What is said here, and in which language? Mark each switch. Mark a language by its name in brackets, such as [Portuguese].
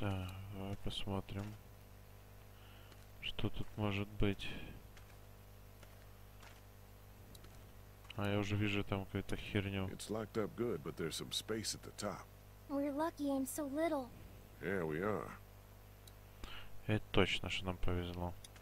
[Russian] Так, давай посмотрим, что тут может быть. А я уже вижу там какую-то херню. [English] It's locked up good, but there's some space at the top. We're lucky I'm so little. Yeah, we are. [Russian] Это точно, что нам повезло.